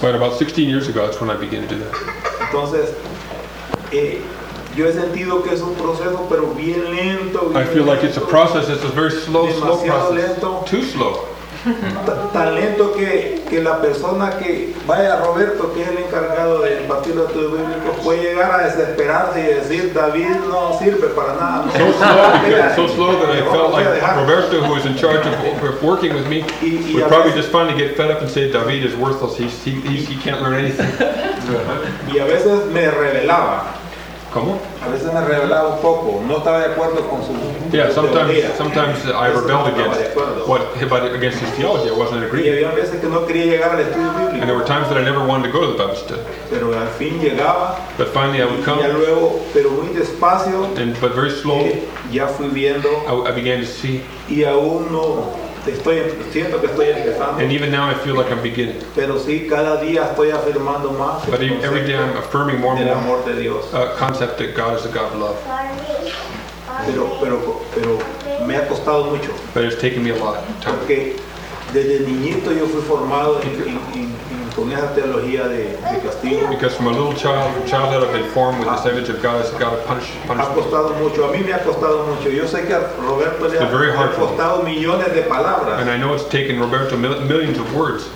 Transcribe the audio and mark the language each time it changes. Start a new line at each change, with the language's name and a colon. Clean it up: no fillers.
English: But about 16 years ago, that's when I began to do that.
Spanish: Entonces, yo he sentido que es un proceso, pero bien lento. Bien
English: I feel
Spanish: lento,
English: like it's a process. It's a very slow,
Spanish: demasiado
English: slow process.
Spanish: Lento.
English: Too slow.
Spanish: Tan lento que la persona que vaya Roberto, que es el encargado del partido de estudios bíblicos, puede llegar a desesperarse y decir David no sirve para nada.
English: So slow, so slow that I felt like Roberto, who is in charge of working with me, would probably just finally get fed up and say David is worthless. He can't learn anything.
Spanish: Y a veces me revelaba. ¿Cómo? A veces me revelaba un poco. No estaba de acuerdo con su.
English: Yeah, sometimes I rebelled against against his theology. I wasn't agreeing.
Spanish: Y había veces que no quería llegar al estudio bíblico.
English: And there were times that I never wanted to go to the Bible study.
Spanish: Pero al fin llegaba.
English: But finally I would come.
Spanish: Y luego, pero muy despacio.
English: But very slowly.
Spanish: Ya fui viendo.
English: I began to see.
Spanish: Y aún no. Siento que estoy empezando.
English: And even now I feel like I'm beginning.
Spanish: Pero sí, cada día estoy afirmando más.
English: But every day I'm affirming more and more a concept that God is a God of love.
Spanish: Pero me ha costado mucho.
English: But it's taken me a lot of time.
Spanish: Porque desde niñito yo fui formado en con esa teología de castigo.
English: Because from a little childhood I've been formed with this image of God as a God of punishment.
Spanish: Ha costado mucho. A mí me ha costado mucho. Yo sé que a Roberto le ha costado millones de palabras.
English: And I know it's taken Roberto millions of words.